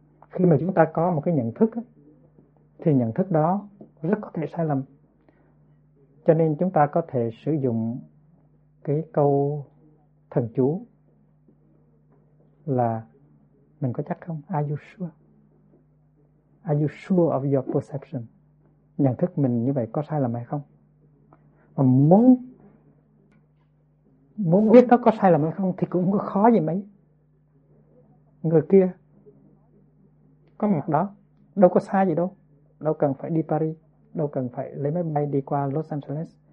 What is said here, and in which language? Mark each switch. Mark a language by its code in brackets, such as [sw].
[vi] Khi mà chúng ta có một cái nhận thức, thì nhận thức đó rất có thể sai lầm. Cho nên chúng ta có thể sử dụng cái câu thần chú là: mình có chắc không? [en] Are you sure? Are you sure of your perception? [vi] Nhận thức mình như vậy có sai lầm hay không? Mà muốn biết nó có sai lầm hay không thì cũng có khó gì mấy. Người kia có mặt đó, đâu có sai gì đâu, đâu cần phải đi Paris, đâu cần phải lấy máy bay đi qua Los Angeles.